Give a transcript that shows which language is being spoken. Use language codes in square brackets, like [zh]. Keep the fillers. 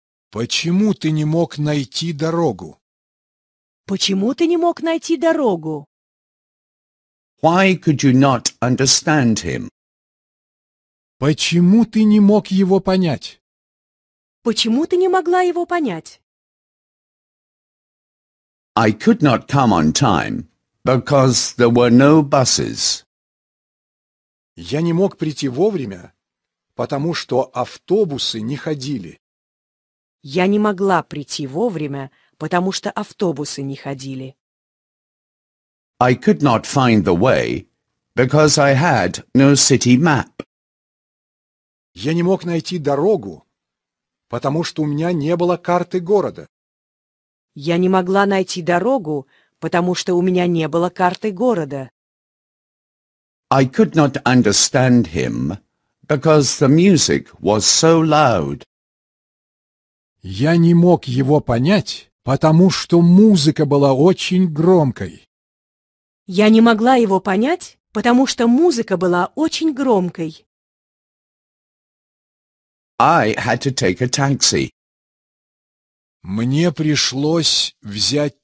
[ru] Почему ты не мог найти дорогу? Почему ты не мог найти дорогу? [en] Why could you not understand him? [ru] Почему ты не мог его понять? Почему ты не могла его понять? [en] I could not come on time because there were no buses. [ru] Я не мог прийти вовремя, потому что автобусы не ходили. Я не могла прийти вовремя, потому что автобусы не ходили. [en] I could not find the way, because I had no city map. [ru] Я не мог найти дорогу, потому что у меня не было карты города. Я не могла найти дорогу, потому что у меня не было карты города. [en] I could not understand him, because the music was so loud. [ru] Я не мог его понять, потому что музыка была очень громкой. Я не могла его понять, потому что музыка была очень громкой. [en] I had to take a taxi. [ru] Мне пришлось взять